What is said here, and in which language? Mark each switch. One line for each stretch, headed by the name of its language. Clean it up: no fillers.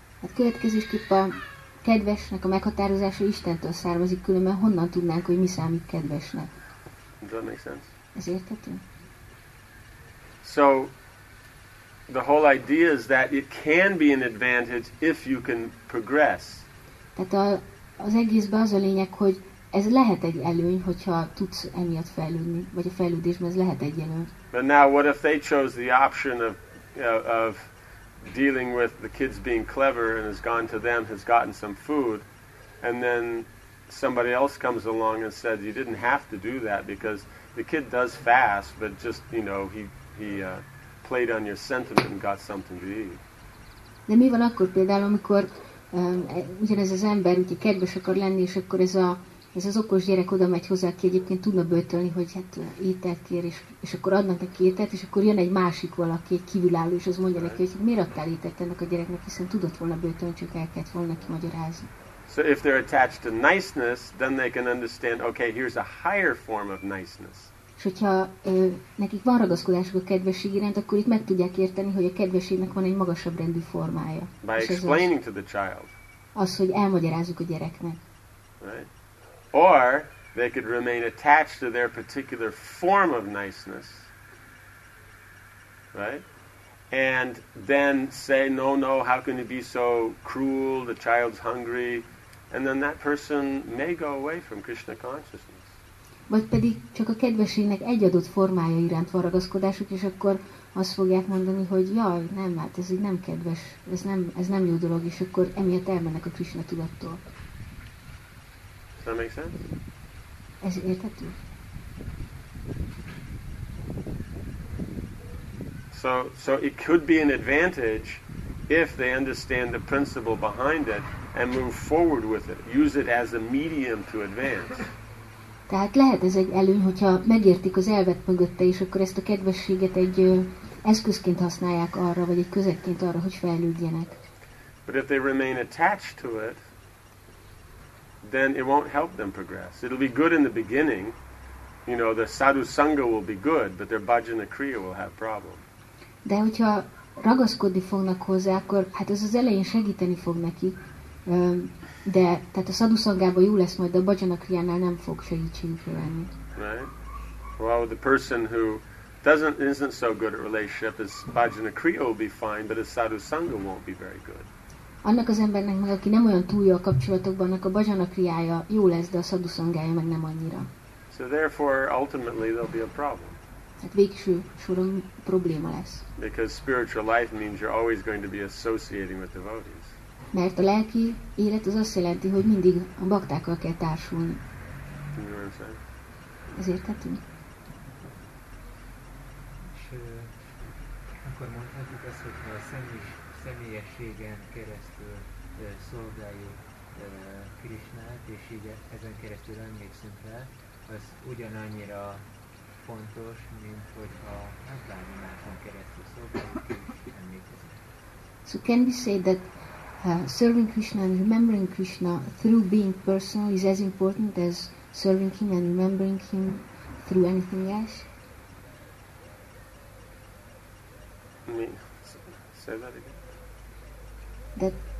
Hungarian: A következésképp a kedvesnek a meghatározása Istentől származik, különben honnan tudnánk, hogy mi számít kedvesnek?
English: Does that make sense?
Hungarian: Ez érthető?
English: So, the whole idea is that it can be an advantage if you can progress.
Hungarian: Tehát az egészben az a lényeg, hogy ez lehet egy előny, hogyha tudsz emiatt fejlődni, vagy a fejlődésben ez lehet egy előny.
English: But now, what if they chose the option of dealing with the kids being clever and has gone to them, has gotten some food, and then somebody else comes along and said, you didn't have to do that because the kid does fast, but just, you know, he played on your sentiment and got something to eat.
Hungarian: De mi van akkor például, amikor ugyanez az ember, hogy kedves akar lenni, és akkor ez az okos gyerek oda megy hozzá, aki egyébként tudna böjtölni, hogy hát ételt kér, és akkor adnak neki ételt, és akkor jön egy másik valaki, egy kívülálló, és az mondja neki, hogy miért adtál ételt ennek a gyereknek, hiszen tudott volna böjtölni, csak el kellett volna neki magyarázni.
English: So if they're attached to niceness, then they can understand, okay, here's a higher form of niceness.
Hungarian: És hogyha nekik van ragaszkodásuk a kedvesség iránt, akkor itt meg tudják érteni, hogy a kedvességnek van egy magasabb rendű formája.
English: By explaining to the child.
Hungarian: Az, hogy elmagyarázzuk a gyereknek.
English: Right. Or they could remain attached to their particular form of niceness, right? And then say, no, how can you be so cruel? The child's hungry. And then that person may go away from Krishna consciousness.
Hungarian: Vagy pedig csak a kedvességnek egy adott formája iránt van ragaszkodásuk, és akkor azt fogják mondani, hogy jaj, nem, hát ez így nem kedves, ez nem jó dolog, és akkor emiatt elmennek a Krishna tudattól.
English: Does that make sense?
Hungarian: Ez érthető.
English: So it could be an advantage if they understand the principle behind it and move forward with it. Use it as a medium to advance.
Hungarian: Tehát lehet ez egy előny, hogyha megértik az elvet mögötte, és akkor ezt a kedvességet egy eszközként használják arra, vagy egy közegként arra, hogy fejlődjenek.
English: But if they remain attached to it, then it won't help them progress. It'll be good in the beginning, you know, the sadhu sangha will be good, but their bhajana kriya will have problem.
Hungarian: De hogyha ragaszkodni fognak hozzá, akkor hát ez az elején segíteni fog neki, de tehát a sadhu sanghában jó lesz majd, de a bhajana kriyánál nem fog segítségükre lenni.
English: Right. Well, the person who isn't so good at relationship, his bhajana kriya will be fine, but his sadhu sangha won't be very good.
Hungarian: Annak az embernek meg, aki nem olyan túl jó a kapcsolatokban, annak a bhajana kriyája jó lesz, de a sadhu szangája meg nem annyira.
English: So therefore, ultimately, there'll be a problem.
Hungarian: Hát végső soron probléma lesz.
English: Because spiritual life means you're always going to be associating with devotees.
Hungarian: Mert a lelki élet az azt jelenti, hogy mindig a baktákkal kell társulni.
English: Can you understand?
Hungarian: Ez érthető? És akkor mondhatjuk ezt, hogy a személyességen keresztül szolgáljuk Krisnát, és így ezen keresztül emlékszünk rá, az ugyanannyira fontos, mint hogyha nem bármi máson keresztül szolgáljuk és emlékezünk.
English: So can we say that serving Krishna and remembering Krishna through being personal is as important as serving him and remembering him through anything else? Me? Say that again.